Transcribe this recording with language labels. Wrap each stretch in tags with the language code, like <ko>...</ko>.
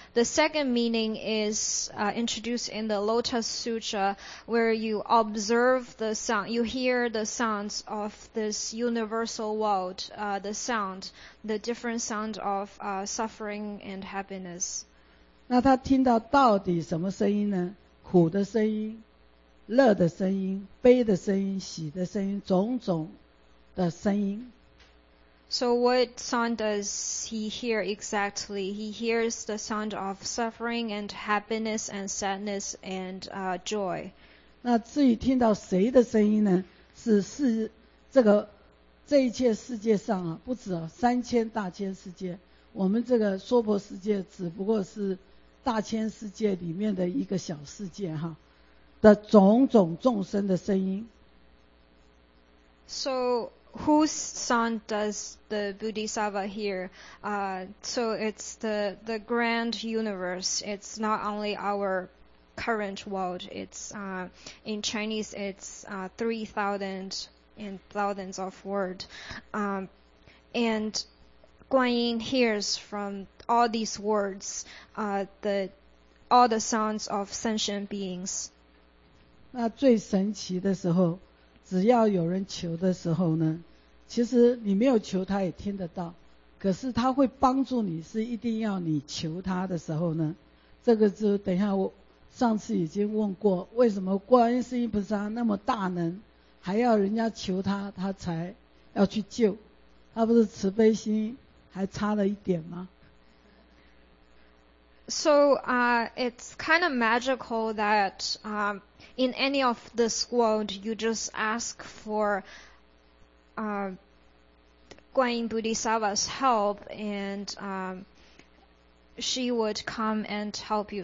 <en>The second meaning is introduced in the Lotus Sutra, where you observe the sound, you hear the sounds of this universal world, the sound, the different sound of suffering and happiness.</en> <zh>那他听到到底什么声音呢？苦的声音，乐的声音，悲的声音，喜的声音，种种的声音。</zh> <en>So what sound does he hear exactly? He hears the sound of suffering and happiness and sadness and joy.</en> <zh>那至于听到谁的声音呢？是这一切世界上啊，不止啊，三千大千世界。我们这个娑婆世界只不过是大千世界里面的一个小世界哈，的种种众生的声音。</zh> <en>So. Whose sound does the Bodhisattva hear? So it's the grand universe. It's not only our current world. It's, in Chinese, it's 3,000 and thousands of words. And Guanyin hears from all these words, all the sounds of sentient beings.</en> <zh>那最神奇的时候，只要有人求的时候呢？其实你没有求他也听得到，可是他会帮助你，是一定要你求他的时候呢。这个就等一下，我上次已经问过，为什么观世音菩萨那么大能，还要人家求他，他才要去救？他不是慈悲心还差了一点吗？</zh> <en>So, it's kind of magical that, in any of this world, you just ask for. Guanyin Bodhisattva's help, and she would come and help you.</en>